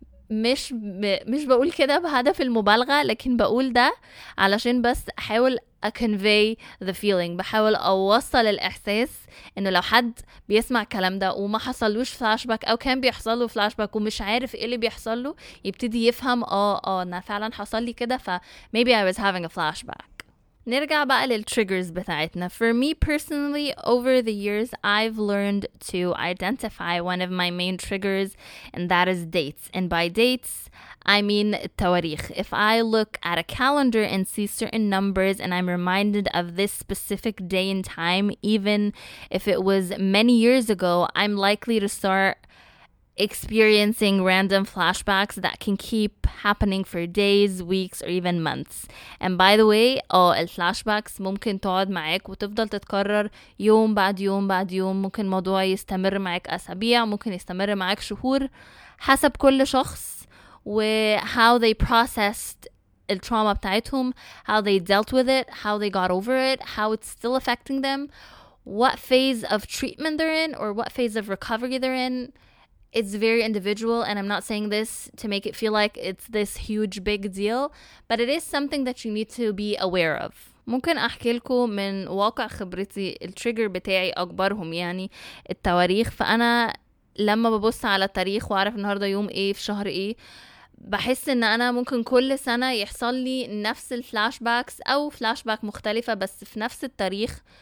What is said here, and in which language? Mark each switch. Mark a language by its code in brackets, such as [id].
[ar] مش بقول كده بهدف المبالغة لكن بقول ده علشان بس أحاول [en] convey the feeling, [ar] بحاول أوصل الإحساس إنه لو حد بيسمع كلام ده وما حصلوش flashback أو كان بيحصل له flashback ومش عارف إيه اللي بيحصل له يبتدي يفهم أنا فعلا حصل لي كده ف [en] maybe I was having a flashback. [ar] نرجع بقى للtriggers بتاعتنا. [en] For me personally, over the years I've learned to identify one of my main triggers and that is dates. And by dates I mean التواريخ. If I look at a calendar and see certain numbers and I'm reminded of this specific day and time, even if it was many years ago, I'm likely to start experiencing random flashbacks that can keep happening for days, weeks, or even months. And by the way, [ar] الflashbacks ممكن تقعد معك وتفضل تتكرر يوم بعد يوم بعد يوم, ممكن موضوع يستمر معك أسابيع, ممكن يستمر معك شهور, حسب كل شخص [en] how they processed the trauma [ar] بتاعتهم, [en] how they dealt with it, how they got over it, how it's still affecting them, what phase of treatment they're in or what phase of recovery they're in. It's very individual and I'm not saying this to make it feel like it's this huge big deal, but it is something that you need to be aware of. [ar] ممكن احكي لكم من واقع خبرتي التريجر بتاعي اكبرهم يعني التواريخ. فانا لما ببص على التاريخ وأعرف النهاردة يوم إيه في شهر إيه بحس إن أنا ممكن كل سنة يحصل لي نفس الفلاشباكس أو فلاشباك مختلفة بس في نفس التاريخ.